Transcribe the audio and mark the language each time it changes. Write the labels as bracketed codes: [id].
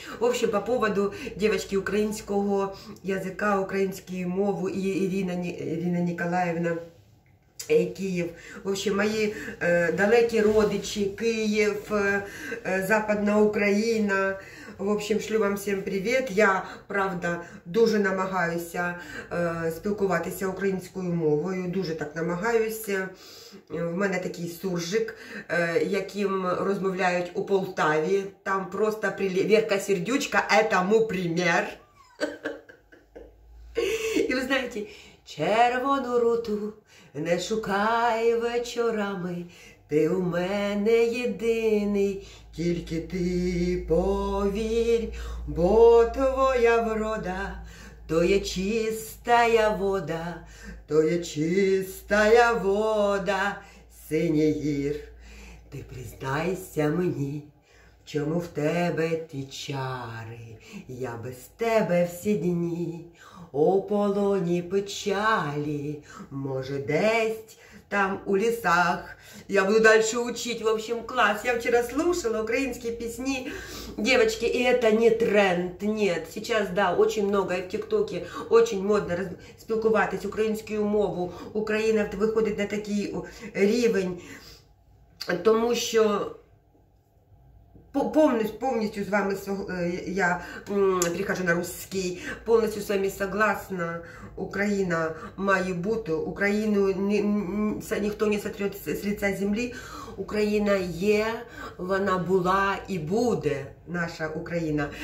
[ru] В общем, по поводу девочки украинского языка, украинские мовы и Ирина Николаевна Киев. В общем, мои далекие родичи, Киев, Западная Украина. В общем, шлю вам всем привет. [uk] Я, правда, дуже намагаюся спілкуватися українською мовою. Дуже так намагаюся. В мене такий суржик, яким розмовляють у Полтаві. [ru] Там просто Верка Сердючка этому пример. [uk] І ви знаєте, червону руту не шукай вечорами. Ти у мене єдиний, тільки ти повірь, бо твоя врода, то є чистая вода, то є чистая вода, синій гір. Ти признайся мені, чому в тебе ті чари, я без тебе всі дні у полоні печалі, може десь там у лісах. [ru] Я буду дальше учить, в общем, класс. Я вчера слушала украинские песни, девочки, и это не тренд, нет. Сейчас, да, очень много, и в ТикТоке очень модно [uk] спілкуватись українською мовою. [ru] Украина выходит на [uk] такий рівень, тому що повністю з вами, [ru] я перехожу на русский, [uk] повністю з вами согласна, Україна має бути, Україну ніхто не сотрет з лица землі, Україна є, вона була і буде, наша Україна.